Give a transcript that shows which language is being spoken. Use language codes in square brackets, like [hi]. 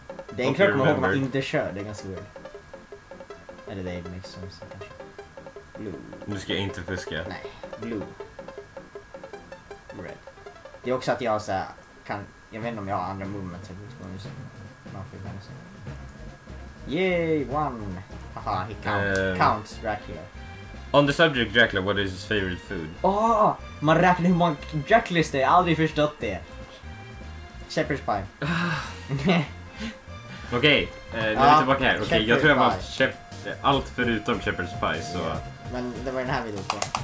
[sv] Det är en klart man inte kör. Det är ganska weird. Eller det är mix som så kanske. [en] Blue. [sv] Nu ska jag inte fiska. [en] Nej. Blue. Red. [sv] Det är också att jag så kan... Jag vet inte om jag har andra movements. Jag vet inte om jag har andra movements. [en] Yay! One! Haha, he counts Dracula. On the subject Dracula, what is his favorite food? Åh! [sv] Oh, man räknar hur många Dracula's det är. Jag har aldrig förstått det. [en] Shepherd's pie. [sv] Okej, nu är vi tillbaka här. Okej, jag tror jag var allt förutom shepherd's pie, så... [en] Yeah. [sv] Men det var den här videon på.